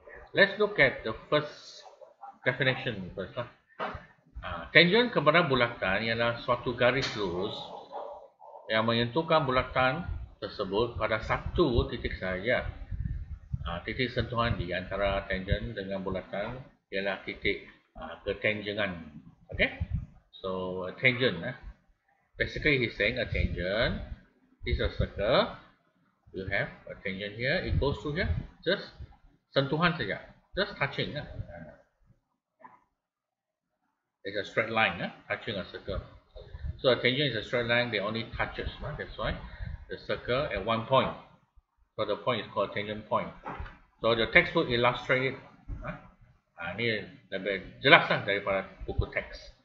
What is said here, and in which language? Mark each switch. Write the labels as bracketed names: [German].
[English] Let's look at the first definition first. [Malay] Tangent kepada bulatan ialah suatu garis lurus yang menyentuhkan bulatan tersebut pada satu titik sahaja. Titik sentuhan di antara tangent dengan bulatan ialah titik ketanjangan. [English] Okay? So, a tangent. Basically, he's saying a tangent. This is a circle. You have a tangent here. It goes through here. Just [Malay] sentuhan saja. [English] Just touching. It's a straight line, touching a circle. So a tangent is a straight line, they only touches, that's why the circle at one point. So the point is called a tangent point. So the textbook illustrate it. [Malay] Ini lebih jelas daripada buku teks.